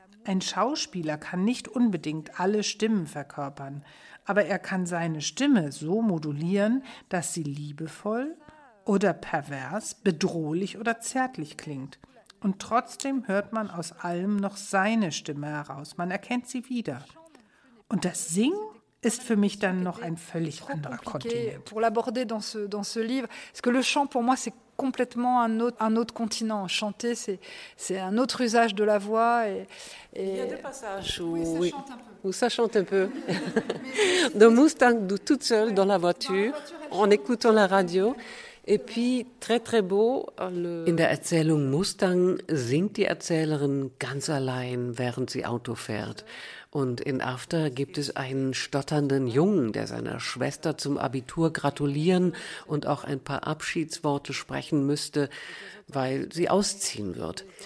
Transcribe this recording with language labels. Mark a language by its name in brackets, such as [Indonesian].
[German] Ein Schauspieler kann nicht unbedingt alle Stimmen verkörpern, aber er kann seine Stimme so modulieren, dass sie liebevoll oder pervers, bedrohlich oder zärtlich klingt. Und trotzdem hört man aus allem noch seine Stimme heraus. Man erkennt sie wieder. Und das Singen ist für mich dann noch ein völlig anderer Kontinent. [French] Pour l'aborder dans ce livre, parce que le chant pour moi c'est complètement un autre continent. Chanter c'est un autre usage de la voix et il y a des passages où ça chante un peu. De Mustang toute seule dans la voiture en écoutant la radio. Et puis, très, très beau, [German] In der Erzählung Mustang singt die Erzählerin ganz allein, während sie Auto fährt. Und in After gibt es einen stotternden Jungen, der seiner Schwester zum Abitur gratulieren und auch ein paar Abschiedsworte sprechen müsste, weil sie ausziehen wird.